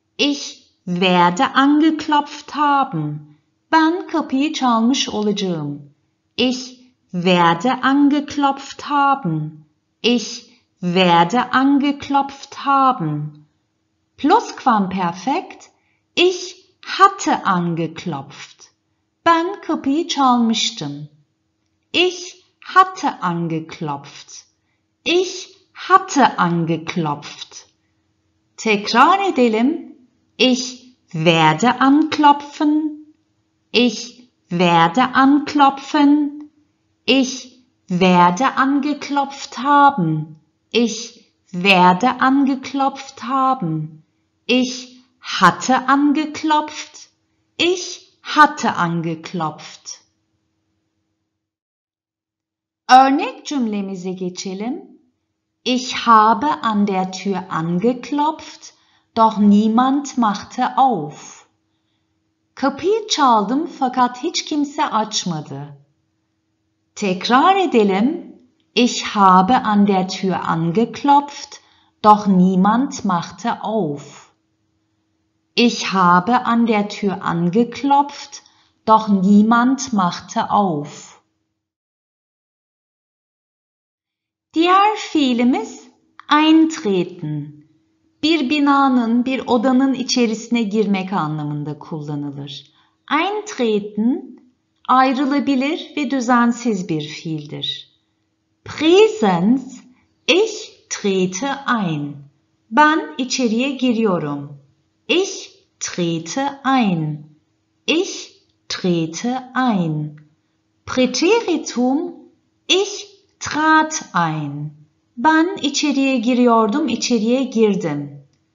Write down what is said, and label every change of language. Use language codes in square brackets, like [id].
[de] Ich werde angeklopft haben. [tr] Ben kapıyı çalmış olacağım. [de] Ich werde angeklopft haben. Ich werde angeklopft haben. Plusquamperfekt. Ich hatte angeklopft. [tr] Ben kapıyı çalmıştım. [de] Ich hatte angeklopft. Ich hatte angeklopft. [tr] Tekrar edelim. [de] Ich werde anklopfen. Ich werde anklopfen. Ich werde angeklopft haben. Ich werde angeklopft haben. Ich hatte angeklopft. Ich hatte angeklopft. [tr] Örnek cümlemize geçelim. [de] Ich habe an der Tür angeklopft, doch niemand machte auf. [tr] Kapıyı çaldım fakat hiç kimse açmadı. Tekrar edelim. [de] Ich habe an der Tür angeklopft, doch niemand machte auf. Ich habe an der Tür angeklopft, doch niemand machte auf. [tr] Diğer fiilimiz eintreten. Bir binanın, bir odanın içerisine girmek anlamında kullanılır. Eintreten ayrılabilir ve düzensiz bir fiildir. [de] Präsenz, ich trete ein. [tr] Ben içeriye giriyorum. [de] Ich trete ein. Ich trete ein. Präteritum, ich trat ein. [tr] Ben içeriye giriyordum, içeriye girdim.